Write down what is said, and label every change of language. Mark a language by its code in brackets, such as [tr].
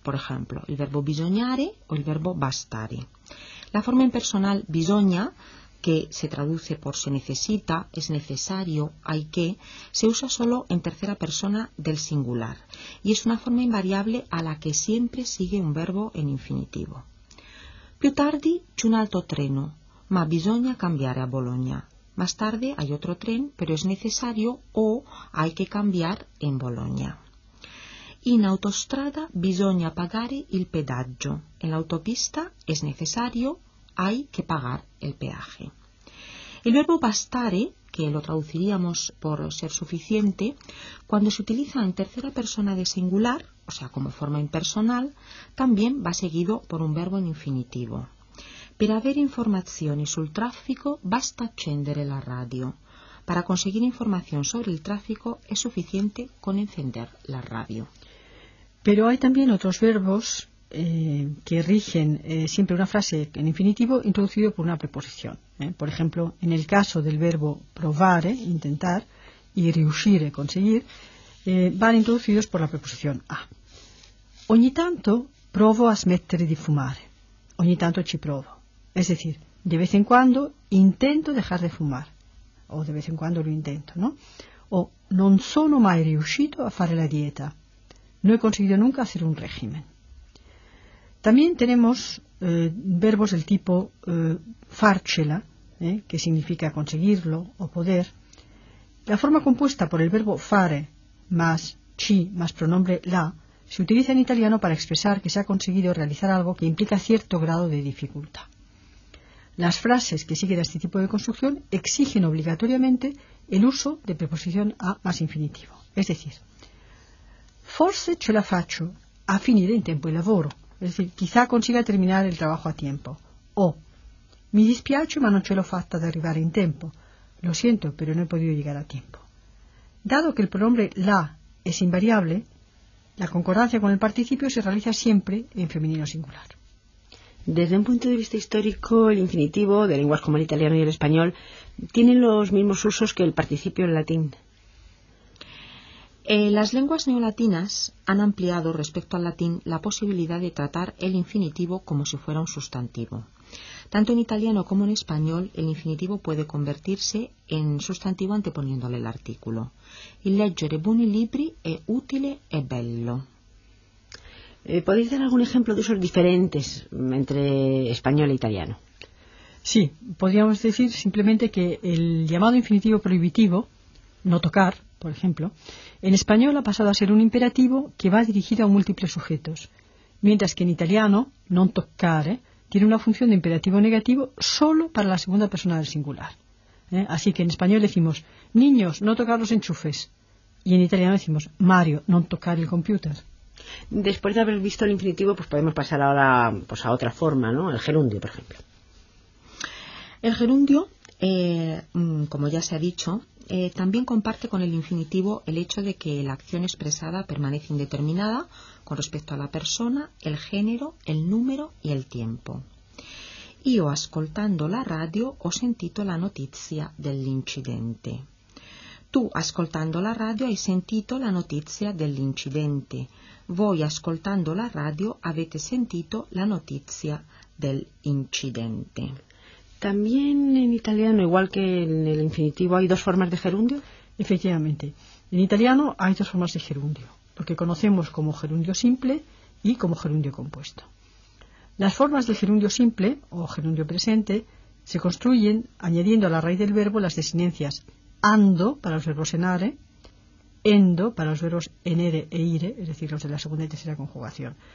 [es] Por ejemplo, el verbo bisognare o el verbo bastare. La forma impersonal bisogna, que se traduce por se necesita, es necesario, hay que, se usa solo en tercera persona del singular y es una forma invariable a la que siempre sigue un verbo en infinitivo. [it] Più tardi c'è un altro treno, ma bisogna cambiare a Bologna. [es] Más tarde hay otro tren, pero es necesario o hay que cambiar en Bologna. [it] In autostrada bisogna pagare il pedaggio. [es] En la autopista es necesario, hay que pagar el peaje. El verbo bastare, que lo traduciríamos por ser suficiente, cuando se utiliza en tercera persona de singular, o sea, como forma impersonal, también va seguido por un verbo en infinitivo. [it] Per avere informazioni sul traffico basta accendere la radio. [es] Para conseguir información sobre el tráfico es suficiente con encender la radio. Pero hay también otros verbos que rigen siempre una frase en infinitivo introducido por una preposición. Por ejemplo, en el caso del verbo provare, intentar, y riuscire, conseguir, van introducidos por la preposición a. [it] Ogni tanto provo a smettere di fumare. Ogni tanto ci provo. [es] Es decir, de vez en cuando intento dejar de fumar, o de vez en cuando lo intento, ¿no? [it] O non sono mai riuscito a fare la dieta, [es] no he conseguido nunca hacer un régimen. También tenemos verbos del tipo farcela, que significa conseguirlo o poder. La forma compuesta por el verbo fare más ci más pronombre la se utiliza en italiano para expresar que se ha conseguido realizar algo que implica cierto grado de dificultad. Las frases que siguen a este tipo de construcción exigen obligatoriamente el uso de preposición a más infinitivo. Es decir, [it] forse ce la faccio a finire in tempo il lavoro. [es] Es decir, quizá consiga terminar el trabajo a tiempo. [it] O, mi dispiace ma non ce l'ho fatta ad arrivare in tempo. [es] Lo siento, pero no he podido llegar a tiempo. Dado que el pronombre la es invariable, la concordancia con el participio se realiza siempre en femenino singular. Desde un punto de vista histórico, el infinitivo de lenguas como el italiano y el español tiene los mismos usos que el participio en latín. Las lenguas neolatinas han ampliado respecto al latín la posibilidad de tratar el infinitivo como si fuera un sustantivo. Tanto en italiano como en español, el infinitivo puede convertirse en sustantivo anteponiéndole el artículo. [it] Il leggere buoni libri è utile e bello. [es] ¿Podéis dar algún ejemplo de usos diferentes entre español e italiano? Sí, podríamos decir simplemente que el llamado infinitivo prohibitivo, no tocar, por ejemplo, en español ha pasado a ser un imperativo que va dirigido a múltiples sujetos, mientras que en italiano, [it] non toccare, [es] tiene una función de imperativo negativo solo para la segunda persona del singular. Así que en español decimos, niños, no tocar los enchufes, y en italiano decimos, Mario, [it] non toccare il computer. [es] Después de haber visto el infinitivo, pues podemos pasar ahora pues a otra forma, ¿no? Al gerundio, por ejemplo. El gerundio, como ya se ha dicho, también comparte con el infinitivo el hecho de que la acción expresada permanece indeterminada con respecto a la persona, el género, el número y el tiempo. [it] Io ascoltando la radio ho sentito la notizia dell'incidente. Tú ascoltando la radio hai sentito la notizia dell'incidente. Voi ascoltando la radio avete sentito la notizia dell'incidente. [es] También en italiano, igual que en el infinitivo, ¿hay dos formas de gerundio? Efectivamente. En italiano hay dos formas de gerundio, porque conocemos como gerundio simple y como gerundio compuesto. Las formas de gerundio simple o gerundio presente se construyen añadiendo a la raíz del verbo las desinencias ando para los verbos enare, endo para los verbos enere e ire, es decir, los de la segunda y tercera conjugación.